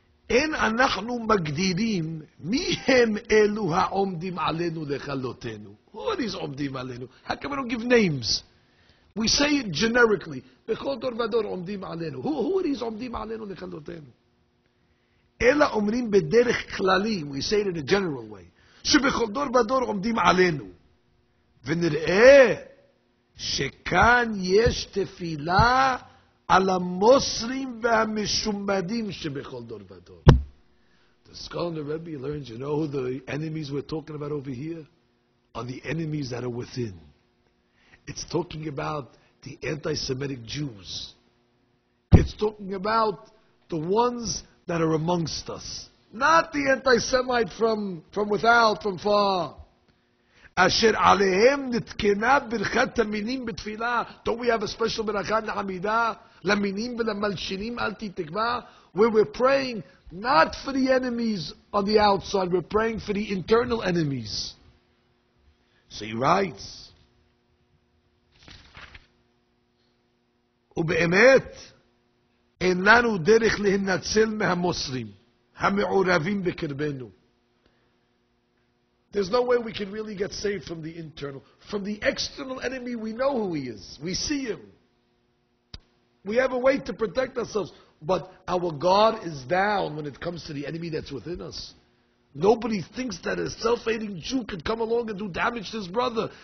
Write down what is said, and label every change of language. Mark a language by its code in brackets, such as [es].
[he] אין אנחנו מגדירים מי הם אלו העומדים עלינו לחלותנו. [en] Who are these [he] עומדים עלינו? [en] How come we don't give names? We say it generically. [he] בכל דור ודור עומדים עלינו. [en] Who are these [he] עומדים עלינו לחלותנו? אלא אומרים בדרך כללי, [en] we say it in a general way, [he] שבכל דור ודור עומדים עלינו. ונראה שכאן יש תפילה על המוסרים והמשומדים שבכל דור ודור. [en] The skull of the Rebbe learns, you know who the enemies we're talking about over here? Are the enemies that are within. It's talking about the anti-Semitic Jews. It's talking about the ones that are amongst us. Not the anti-Semite from without, from far. [he] אשר עליהם נתקנה ברכת המינים בתפילה. [en] Don't we have a special [he] ברכת לעמידה? למינים ולמלשינים אל תתקווה. [en] Where we're praying not for the enemies on the outside, we're praying for the internal enemies. So he writes, [he] ובאמת אין לנו דרך להנצל מהמוסרים המעורבים בקרבנו. [en] There's no way we can really get saved from the internal. From the external enemy, we know who he is. We see him. We have a way to protect ourselves. But our guard is down when it comes to the enemy that's within us. Nobody thinks that a self-hating Jew could come along and do damage to his brother.